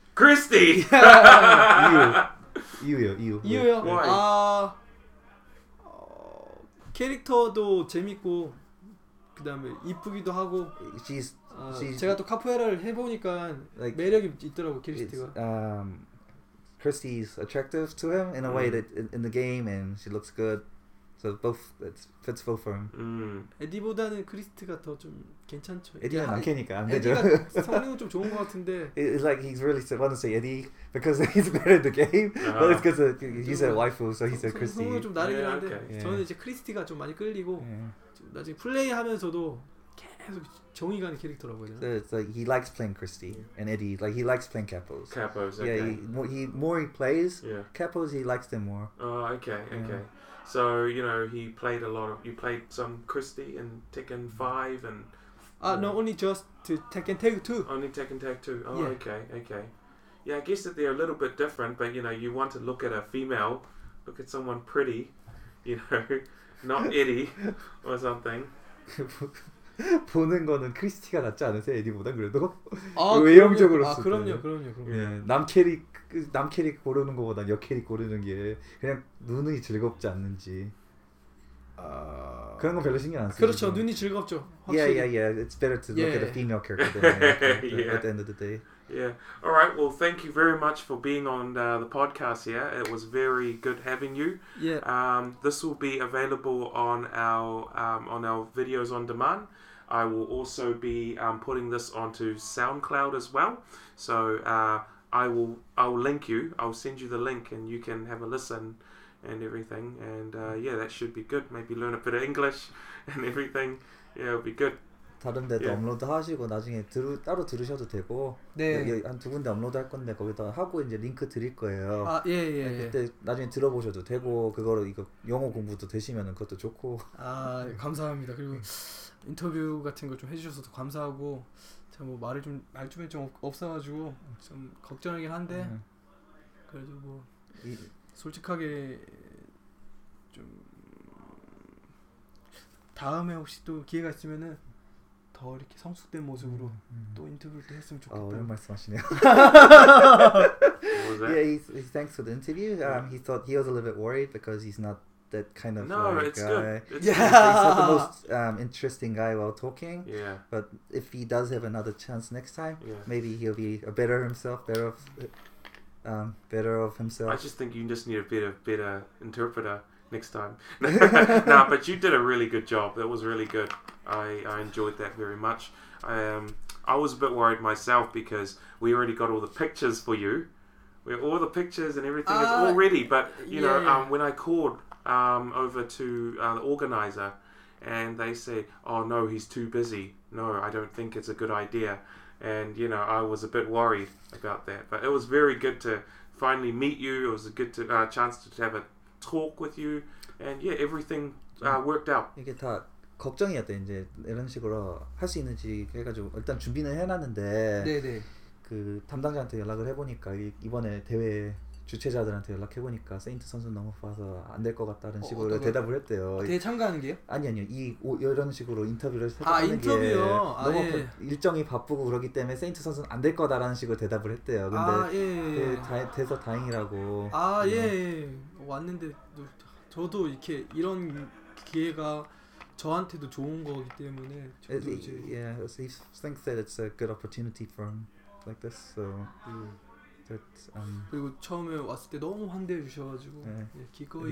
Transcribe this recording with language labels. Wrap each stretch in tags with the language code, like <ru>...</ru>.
<en>Christy.</en> <ko>이유요.</ko> <en>Why?</en> <ko>캐릭터도 재밌고. 그다음에 이쁘기도 하고 제가 또 카푸에라를 해보니까</ko> <en>like,</en> <ko>매력이 있더라고 크리스티가.</ko> <en>Christy is attractive to him in a way that in the game and she looks good, so both it fits both for him.</en> <ko>에디보다는 크리스티가 더 좀 괜찮죠. 에디는 남캐니까 안 되죠. 에디가 성능은 좀 좋은 것 같은데.</ko> <en>It's like he's really want to say Eddie because he's better in the game, but it's because he's a waifu, so he said Christy.</en> <ko>성능은 좀 다르긴 한데 저는 이제 크리스티가 좀 많이 끌리고.</ko> <en>Yeah.</en> <ko>나중에 플레이하면서도 계속 정이 가는 캐릭터라고요.</ko> <en>So it's like he likes playing Christy and Eddie. Like he likes playing Capos. Capos. Yeah. Okay. He plays. Yeah. Capos. He likes them more. Oh, okay. Yeah. Okay. So you know he played a lot of. You played some Christy and Tekken 5 and. No, only just to Tekken Tag 2. Only Tekken Tag 2. Oh, yeah. Okay. Yeah, I guess that they're a little bit different, but you know you want to look at a female, look at someone pretty, you know. Not Eddie or something.</en> <ko>보는 거는 크리스티가 낫지 않으세요? 에디보다 그래도 아, 외형적으로서. 아 그럼요. 네, 남캐리 고르는 거보다 여캐리 고르는 게 그냥 눈이 즐겁지 않는지. 그런 건 별로 신경 안 쓰죠. 그렇죠, 눈이 즐겁죠. 확실히.</ko> <en>Yeah. It's better to look at a female character than at the end of the day. Yeah. All right. Well, thank you very much for being on the podcast here. It was very good having you. Yeah. This will be available on our videos on demand. I will also be putting this onto SoundCloud as well. So I will link you. I'll send you the link and you can have a listen and everything. And that should be good. Maybe learn a bit of English and everything. Yeah, it'll be good.</en> <ko>다른 데도 업로드 하시고 나중에 따로 들으셔도 되고 한 두 군데 업로드 할 건데 거기다 하고 이제 링크 드릴 거예요. 아 예. 그때 나중에 들어보셔도 되고 그거로 이거 영어 공부도 되시면 그것도 좋고. 아 감사합니다. 그리고 인터뷰 같은 거 좀 해주셔서 더 감사하고 제가 뭐 말을 좀 말 좀 없어가지고 좀 걱정이긴 한데 그래도 뭐 솔직하게 좀 다음에 혹시 또 기회가 있으면은. 더 이렇게 성숙된 모습으로 또 인터뷰도 했으면 좋겠다. 이런 말씀하시네요.</ko> <en>What was that? Yeah, he thanks for the interview. He thought he was a little bit worried because he's not that kind of guy. No, it's good. He's not the most interesting guy while talking. Yeah. But if he does have another chance next time, maybe he'll be a better himself, better of himself. I just think you just need a better interpreter next time. Nah, but you did a really good job. That was really good. I enjoyed that very much. I was a bit worried myself because we already got all the pictures for you. All the pictures and everything is all ready. But, you know, when I called over to the organizer and they say, oh, no, he's too busy. No, I don't think it's a good idea. And, you know, I was a bit worried about that. But it was very good to finally meet you. It was a good chance to have a talk with you. And, everything worked out. You get that.</en> <ko>걱정이었대. 이제 이런 식으로 할 수 있는지 해가지고 일단 준비는 해놨는데 네네. 그 담당자한테 연락을 해보니까 이번에 대회 주최자들한테 연락해보니까 세인트 선수 너무 봐서 안 될 것 같다는 식으로 대답을 했대요. 아, 대회 참가하는 게요? 아니요. 이런 식으로 인터뷰를 하는 게 아, 너무 예. 일정이 바쁘고 그러기 때문에 세인트 선수는 안 될 거다라는 식으로 대답을 했대요. 근데 아, 예. 돼서 다행이라고. 아, 예. 왔는데 저도 이렇게 이런 기회가 저한테도 좋은 거기 때문에 저도 이제</ko> <en>yeah, he thinks that it's a good opportunity for him like this. So that</en> <ko>그리고 처음에 왔을 때 너무 환대해 주셔가지고 기꺼이</ko>